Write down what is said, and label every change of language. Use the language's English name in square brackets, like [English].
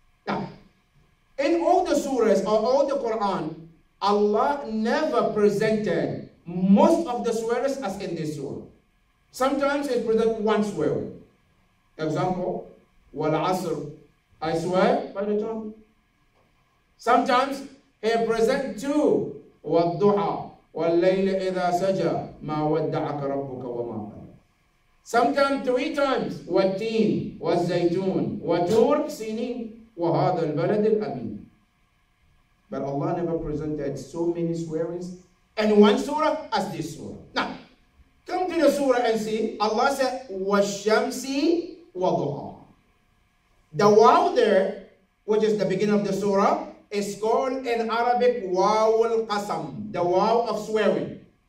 [English] Now, in all the surahs or all the Quran, Allah never presented most of the swears as in this surah. Sometimes it presents one swear. Example, wal asr, I swear by the tongue. Sometimes he presents two, wal duha. [Arabic] والليل إذا سجى ما ودعك ربك وما قلى. [English] Sometimes three times. [Arabic] والتين والزيتون وتور سينين وهذا البلد الأمين. [English] But Allah never presented so many swearings in one surah as this surah. Now, come to the surah and see. Allah said, [Arabic] والشمس وضحاها. [English] The waw there, which is the beginning of the surah, is called in Arabic waw al-qasam, the waw of swearing.